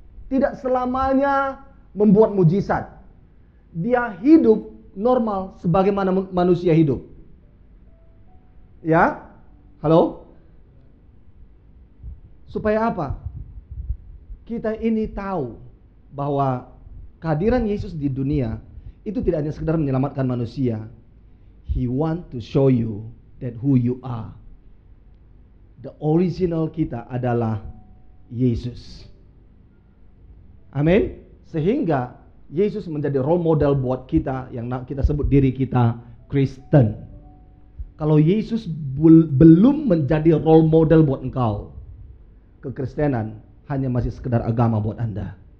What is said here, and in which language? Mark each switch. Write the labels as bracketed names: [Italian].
[Indonesian] Tidak selamanya membuat mujizat. Dia hidup normal sebagaimana manusia hidup. Ya? Halo? Supaya apa? Kita ini tahu bahwa kehadiran Yesus di dunia itu tidak hanya sekedar menyelamatkan manusia. [English] He want to show you that who you are. The original [Indonesian] kita adalah Yesus. Amin. Sehingga Yesus menjadi role model buat kita yang kita sebut diri kita Kristen. Kalau Yesus belum menjadi role model buat engkau, kekristenan hanya masih sekedar agama buat anda.